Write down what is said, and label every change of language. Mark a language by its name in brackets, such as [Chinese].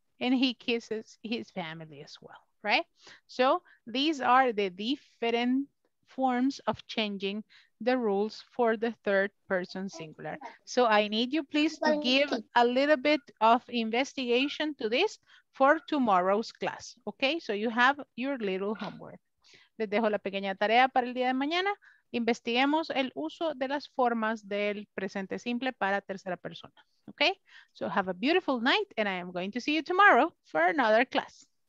[English] and he kisses his family as well, right? So these are the different forms of changing the rules for the third person singular. So I need you please to give a little bit of investigation to this for tomorrow's class, okay? So you have your little homework. [Spanish] Les dejo la pequeña tarea para el día de mañana. Investiguemos el uso de las formas del presente simple para tercera persona. [English] Okay? So have a beautiful night and I am going to see you tomorrow for another class.